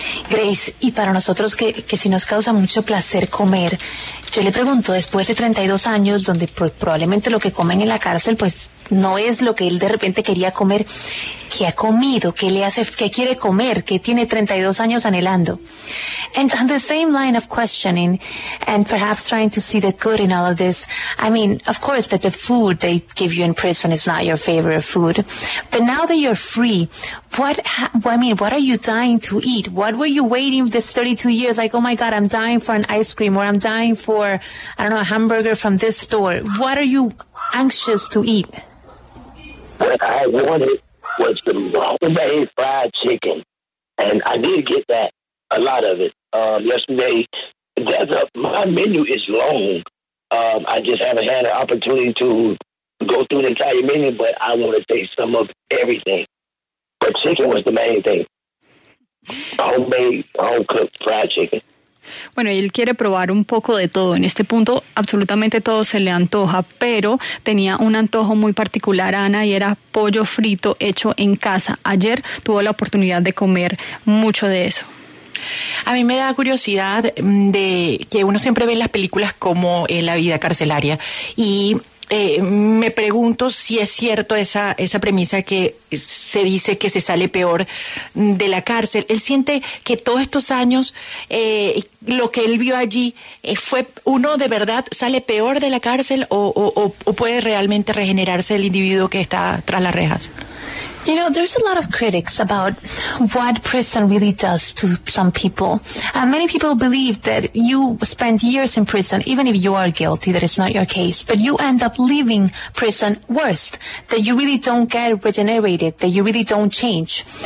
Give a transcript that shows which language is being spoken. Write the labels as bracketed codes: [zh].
[es] Grace, y para nosotros que si nos causa mucho placer comer, yo le pregunto, después de 32 años, donde probablemente lo que comen en la cárcel pues no es lo que él de repente quería comer, ¿qué ha comido? ¿Qué le hace? ¿Qué quiere comer? ¿Qué tiene 32 años anhelando? [en] And on the same line of questioning, and perhaps trying to see the good in all of this, I mean, of course, that the food they give you in prison is not your favorite food. But now that you're free, what are you dying to eat? What were you waiting this 32 years? Like, oh my God, I'm dying for an ice cream, or I'm dying for, I don't know, a hamburger from this store. What are you anxious to eat? What I wanted was the homemade fried chicken, and I did get that, a lot of it, yesterday. My menu is long. I just haven't had an opportunity to go through the entire menu, but I want to taste some of everything. But chicken was the main thing. Homemade, home-cooked fried chicken. [es] Bueno, él quiere probar un poco de todo. En este punto, absolutamente todo se le antoja, pero tenía un antojo muy particular, Ana, y era pollo frito hecho en casa. Ayer tuvo la oportunidad de comer mucho de eso. A mí me da curiosidad de que uno siempre ve en las películas como en la vida carcelaria, y me pregunto si es cierto esa premisa que se dice que se sale peor de la cárcel. Él siente que todos estos años, lo que él vio allí, ¿fue uno de verdad sale peor de la cárcel o puede realmente regenerarse el individuo que está tras las rejas? [en] You know, there's a lot of critics about what prison really does to some people. Many people believe that you spend years in prison, even if you are guilty, that it's not your case, but you end up leaving prison worse, that you really don't get regenerated, that you really don't change.